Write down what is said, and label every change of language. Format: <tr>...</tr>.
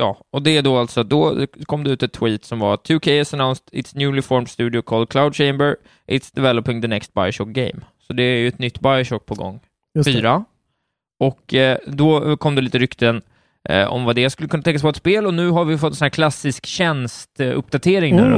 <sv>Och det är då alltså, då kom det ut ett tweet som var</sv> <en>2K has announced its newly formed studio called Cloud Chamber. It's developing the next Bioshock game.</en> <sv>Så det är ju ett nytt Bioshock på gång. Just 4. Det. Och då kom det lite rykten om vad det skulle kunna tänkas vara ett spel. Och nu har vi fått en sån här klassisk tjänstuppdatering där.</sv>